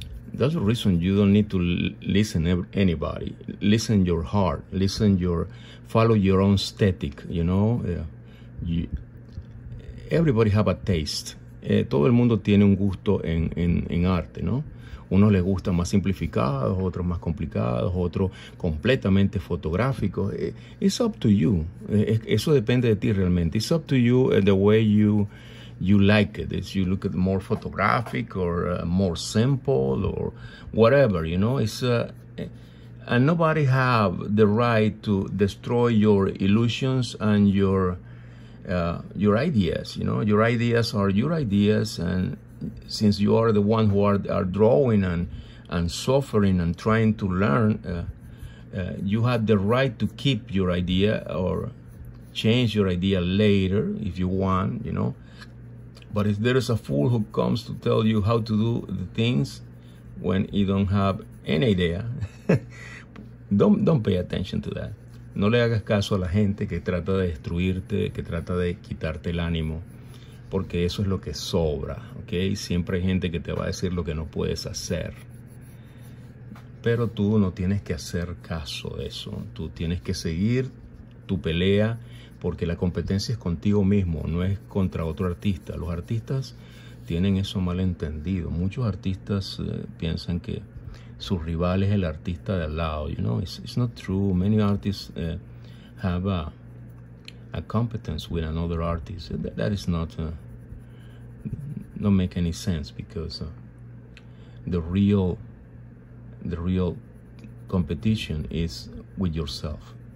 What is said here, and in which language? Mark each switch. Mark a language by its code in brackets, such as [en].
[en] That's the reason you don't need to listen anybody. Listen your heart. Listen your, follow your own aesthetic, you know? Everybody have a taste. [es] Todo el mundo tiene un gusto en arte, ¿no? Unos les gustan más simplificados, otros más complicados, otros completamente fotográficos. [en] It's up to you. [es] Eso depende de ti realmente. [en] It's up to you the way you like it. If you look at more photographic or more simple or whatever, you know. And nobody have the right to destroy your illusions and your ideas, you know. Your ideas are your ideas, and since you are the one who are drawing and suffering and trying to learn, you have the right to keep your idea or change your idea later if you want, you know. But if there is a fool who comes to tell you how to do the things when you don't have any idea, don't pay attention to that. [es] No le hagas caso a la gente que trata de destruirte, que trata de quitarte el ánimo, porque eso es lo que sobra, ¿ok? Siempre hay gente que te va a decir lo que no puedes hacer. Pero tú no tienes que hacer caso de eso. Tú tienes que seguir tu pelea, porque la competencia es contigo mismo, no es contra otro artista. Los artistas tienen eso mal entendido. Muchos artistas piensan que su rival es el artista de al lado. [en] You know, it's not true. Many artists have a competence with another artist. That is not, don't make any sense, because the real competition is with yourself.